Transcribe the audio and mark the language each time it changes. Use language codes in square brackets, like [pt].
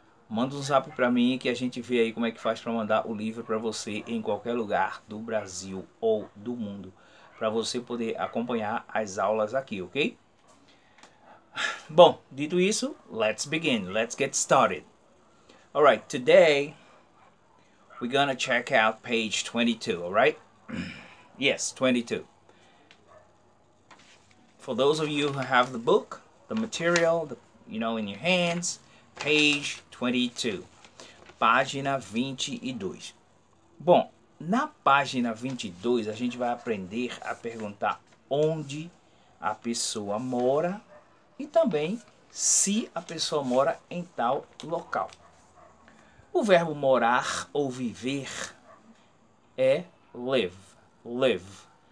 [pt] Manda um zap para mim que a gente vê aí como é que faz para mandar o livro para você em qualquer lugar do Brasil ou do mundo. Para você poder acompanhar as aulas aqui, ok? Bom, dito isso, [en] let's begin. Let's get started. All right, today we're gonna check out page 22, all right? Yes, 22. For those of you who have the book, the material, in your hands, page 22. [pt] Página 22. Bom, na página 22 a gente vai aprender a perguntar onde a pessoa mora. E também se a pessoa mora em tal local. O verbo morar ou viver é live, live.